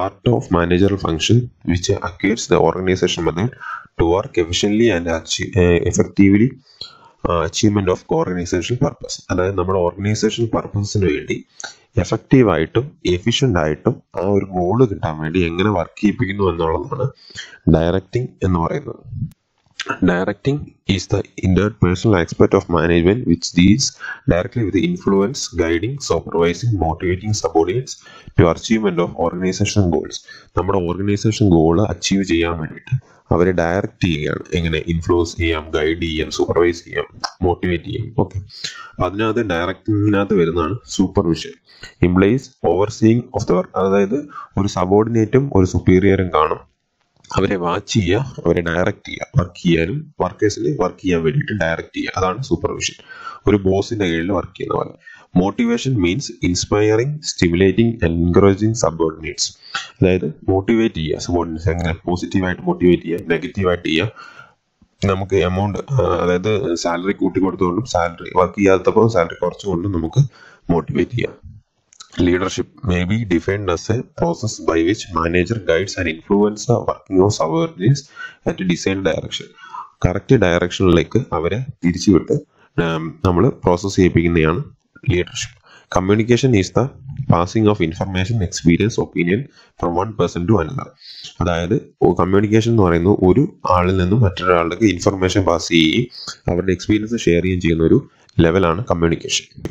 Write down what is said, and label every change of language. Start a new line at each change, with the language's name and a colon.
English: It is the part of manager function which acquires the organisation method to work efficiently and effectively achievement of organisation purpose.
Malayalam: അതായത് നമ്മുടെ organisation പർപ്പസിന് വേണ്ടി എഫക്റ്റീവായിട്ടും efficient ആയിട്ടും ആ ഒരു goal കിട്ടാൻ വേണ്ടി എങ്ങനെ വർക്ക് ചെയ്യിപ്പിക്കുന്നു എന്നുള്ളതാണ് ഡയറക്ടിങ് എന്ന് പറയുന്നത്.
English: Directing is the interpersonal aspect of management which deals directly with influence, guiding, supervising, motivating subordinates to achievement of organization goals.
Malayalam: നമ്മുടെ ഓർഗനൈസേഷൻ ഗോൾ അച്ചീവ് ചെയ്യാൻ വേണ്ടിയിട്ട് അവരെ ഡയറക്റ്റ് ചെയ്യുകയാണ്, എങ്ങനെ ഇൻഫ്ലുവൻസ് ചെയ്യാം, ഗൈഡ് ചെയ്യാം, സൂപ്പർവൈസ് ചെയ്യാം, മോട്ടിവേറ്റ് ചെയ്യാം. ഓക്കെ, അതിനകത്ത് ഡയറക്ടിങ്ങിനകത്ത് വരുന്നതാണ് supervision.
English: Implies overseeing of the work.
Malayalam: അതായത് ഒരു സബോർഡിനേറ്റും ഒരു സുപ്പീരിയറും കാണും, അവരെ വാച്ച് ചെയ്യുക, അവരെ ഡയറക്റ്റ് ചെയ്യുക, വർക്ക് ചെയ്യാനും വർക്കേഴ്സിനെ വർക്ക് ചെയ്യാൻ വേണ്ടിയിട്ട് ഡയറക്റ്റ് ചെയ്യുക, അതാണ് സൂപ്പർവിഷൻ. ഒരു ബോസിൻ്റെ കീഴിൽ വർക്ക് ചെയ്യുന്ന പോലെ.
English: Motivation means inspiring, stimulating, encouraging subordinates.
Malayalam: അതായത് മോട്ടിവേറ്റ് ചെയ്യുക സബോർഡിനേറ്റ്സ്, എങ്ങനെ പോസിറ്റീവായിട്ട് മോട്ടിവേറ്റ് ചെയ്യുക, നെഗറ്റീവായിട്ട് ചെയ്യുക. നമുക്ക് എമൗണ്ട്, അതായത് സാലറി കൂട്ടി കൊടുത്തുകൊണ്ടും സാലറി വർക്ക് ചെയ്യാത്തപ്പോൾ സാലറി കുറച്ചുകൊണ്ടും നമുക്ക് മോട്ടിവേറ്റ് ചെയ്യാം.
English: Leadership may be defined as a process by which manager guides and influences the working of subordinates at a designed direction.
Malayalam: Correct ഡയറക്ഷനിലേക്ക് അവരെ തിരിച്ചുവിട്ട് നമ്മൾ process ചെയ്യിപ്പിക്കുന്നതാണ് leadership.
English: Communication is the passing of information, experience, opinion from one person to another.
Malayalam: അതായത് communication എന്ന് പറയുന്നത് ഒരു ആളിൽ നിന്നും മറ്റൊരാളിലേക്ക് information pass ചെയ്യുകയും അവരുടെ എക്സ്പീരിയൻസ് ഷെയർ ചെയ്യുകയും ചെയ്യുന്ന ഒരു ലെവലാണ് കമ്മ്യൂണിക്കേഷൻ.